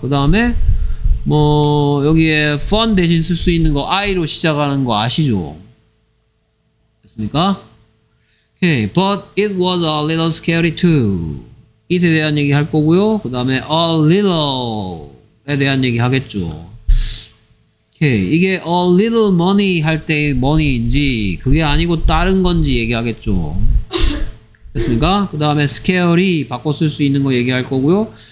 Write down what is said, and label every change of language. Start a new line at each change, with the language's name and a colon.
Korean: 그 다음에 뭐 여기에 fun 대신 쓸 수 있는 거 I로 시작하는 거 아시죠? 됐습니까?
English: Okay, but it was a little scary too.
Korean: It에 대한 얘기 할 거고요. 그 다음에 a little에 대한 얘기 하겠죠. Okay, 이게 a little money 할 때의 money인지 그게 아니고 다른 건지 얘기하겠죠. 됐습니까? 그 다음에 scary 바꿔 쓸 수 있는 거 얘기할 거고요.